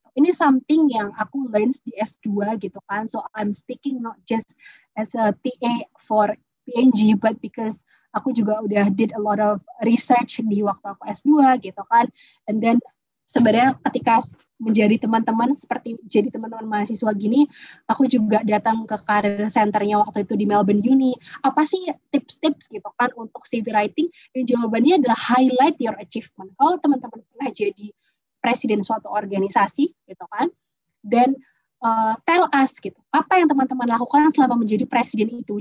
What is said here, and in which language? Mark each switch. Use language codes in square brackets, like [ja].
[id] Ini [en] something [id] yang aku [en] learn [id] di S2 gitu kan. [en] So I'm speaking not just as a TA for PNG, but because [id] aku juga udah [en] did a lot of research [id] di waktu aku S2 gitu kan. [en] And then [id] sebenarnya ketika menjadi teman-teman seperti jadi teman-teman mahasiswa gini, aku juga datang ke career center-nya waktu itu di Melbourne Uni. Apa sih tips-tips gitu kan untuk CV writing? Dan jawabannya adalah [en] highlight your achievement. [id] Kalau teman-teman pernah jadi presiden suatu organisasi gitu kan, [en] then tell us [id] gitu apa yang teman-teman lakukan selama menjadi presiden itu.